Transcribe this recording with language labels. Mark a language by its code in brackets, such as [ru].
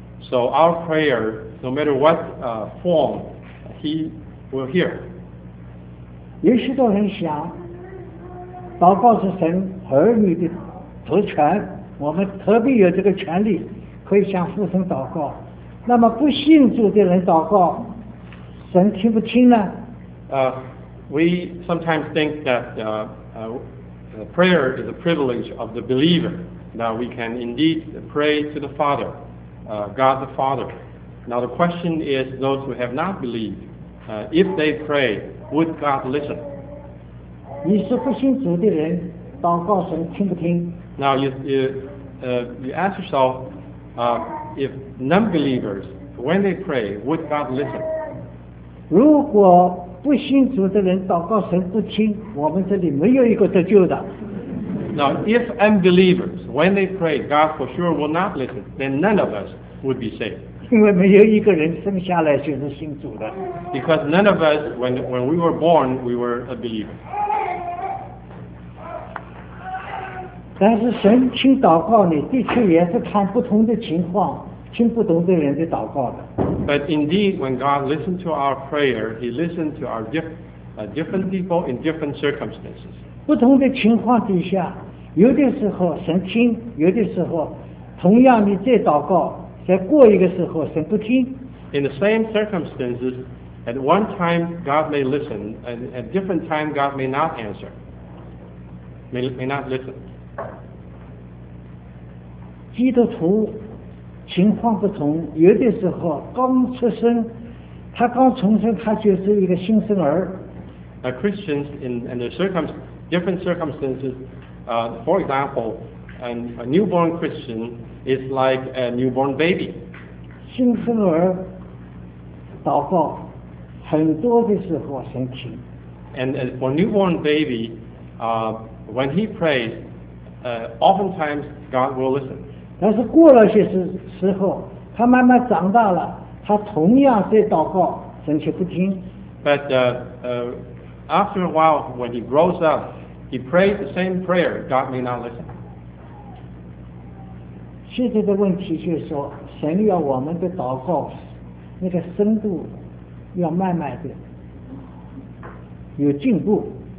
[en] So our prayer, no matter what form, He will hear. [zh] 有许多人想，祷告是神儿女的特权，我们特别有这个权利可以向父神祷告。那么不信主的人祷告，神听不听呢？ [en] We sometimes think that the prayer is a privilege of the believer. Now we can indeed pray to the Father, God the Father. Now the question is, those who have not believed, if they pray, would God listen? [zh] 你是不信主的人，祷告神听不听？ [en] Now you ask yourself, if non-believers, when they pray, would God listen? [zh] 如果不信主的人祷告神不听，我们这里没有一个得救的。 [en] Now, if unbelievers, when they pray, God for sure will not listen, then none of us would be saved. [zh] 因为没有一个人生下来就是信主的。 [en] Because none of us, when we were born, we were a believer. [zh] 但是神听祷告呢，的确也是看不同的情况，听不懂的人的祷告的。 [en] But indeed, when God listened to our prayer, He listened to our different people in different circumstances. [zh] 不同的情况底下，有的时候神听，有的时候同样你再祷告，再过一个时候神不听。 [en] In the same circumstances, at one time God may listen, and at different time God may not answer, may not listen. [zh] 基督徒情况不同，有的时候刚出生，他刚重生，他就是一个新生儿。 [en] Christians in the different circumstances, for example, a newborn Christian is like a newborn baby. [zh] 新生儿祷告很多的时候神听。 [en] And for newborn baby, when he prays, oftentimes God will listen. [zh] 但是过了些时候，他慢慢长大了，他同样在祷告，神却不听。 [en] But after a while, when he grows up, he prayed the same prayer, God may not listen. [zh] 现在的问题就是说，神要我们的祷告那个深度要慢慢的有进步。